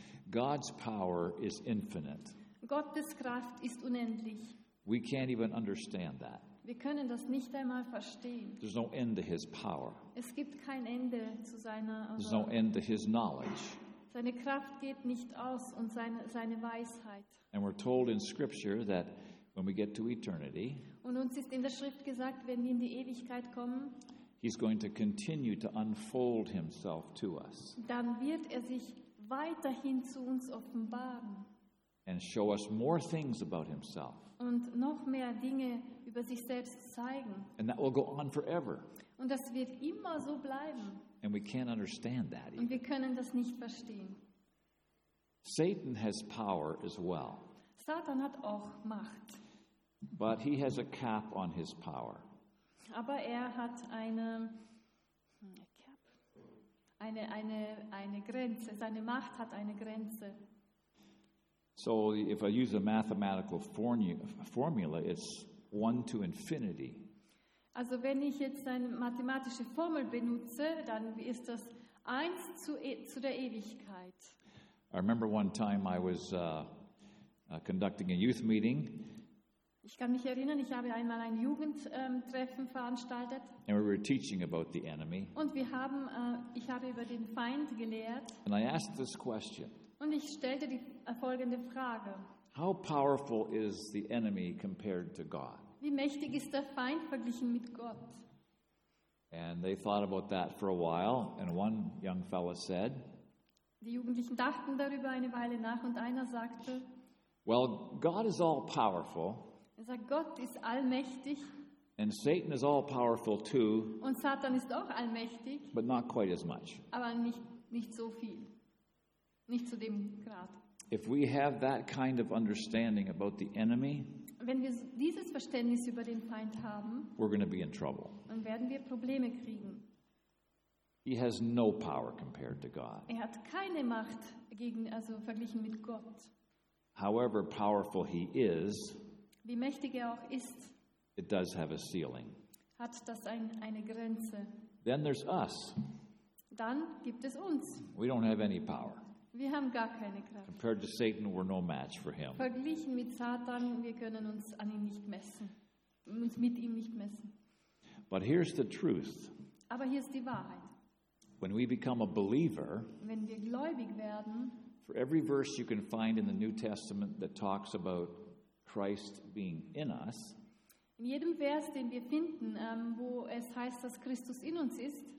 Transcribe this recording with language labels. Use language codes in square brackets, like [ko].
[en] God's power is infinite. [de] Gottes Kraft ist unendlich. [en] We can't even understand that. [de] Wir können das nicht einmal verstehen. [en] There's no end to his power. [de] Es gibt kein Ende zu seiner. [en] There's no end to his knowledge. [de] Seine Kraft geht nicht aus und seine Weisheit. [en] And we're told in Scripture that when we get to eternity, [de] und uns ist in der Schrift gesagt, wenn wir in die Ewigkeit kommen, [en] he's going to continue to unfold himself to us. [de] Dann wird er sich weiterhin zu uns offenbaren. [en] And show us more things about himself. [de] Und noch mehr Dinge über sich selbst zeigen. [en] And that will go on forever. [de] Und das wird immer so bleiben. [en] And we can't understand that either. [de] Und wir können das nicht verstehen. [en] Satan has power as well. [de] Satan hat auch Macht. [en] But he has a cap on his power. [de] Aber er hat eine Grenze. Seine Macht hat eine Grenze. [en] So if I use a mathematical formula, it's 1 to infinity. [de] Also wenn ich jetzt eine mathematische Formel benutze, dann ist das 1 zu der Ewigkeit. [en] I remember one time I was conducting a youth meeting. [de] Ich kann mich erinnern, ich habe einmal ein Jugendtreffen veranstaltet. [en] And we were teaching about the enemy. [de] Und ich habe über den Feind gelehrt. [en] And I asked this question. [de] Und ich stellte die folgende Frage. [en] How powerful is the enemy compared to God? [de] Wie mächtig ist der Feind verglichen mit Gott? [en] And they thought about that for a while, and one young fella said, [de] die Jugendlichen dachten darüber eine Weile nach und einer sagte, [en] well, God is all powerful. [de] Er sagt, Gott ist allmächtig. [en] And Satan is all powerful too. [de] Und Satan ist auch allmächtig. [en] But not quite as much. [de] Aber nicht so viel. Nicht zu dem Grad. [en] If we have that kind of understanding about the enemy, [de] wenn wir dieses Verständnis über den Feind haben, [en] we're going to be in trouble. [de] Dann werden wir Probleme kriegen. [en] He has no power compared to God. [de] Er hat keine Macht also verglichen mit Gott. [en] However powerful he is, [de] wie mächtig er auch ist, [en] it does have a ceiling. [de] Hat das eine Grenze. [en] Then there's us. [de] Dann gibt es uns. [en] We don't have any power. [de] Wir haben gar keine Kraft. [en] Compared to Satan, we're no match for him. [de] Verglichen mit Satan, wir können uns an ihn nicht messen. Uns mit ihm nicht messen. [en] But here's the truth. [de] Aber hier ist die Wahrheit. [en] When we become a believer, [de] wenn wir gläubig werden, [en] for every verse you can find in the New Testament that talks about Christ being in us, [de] in jedem Vers, den wir finden, wo es heißt, dass Christus in uns ist,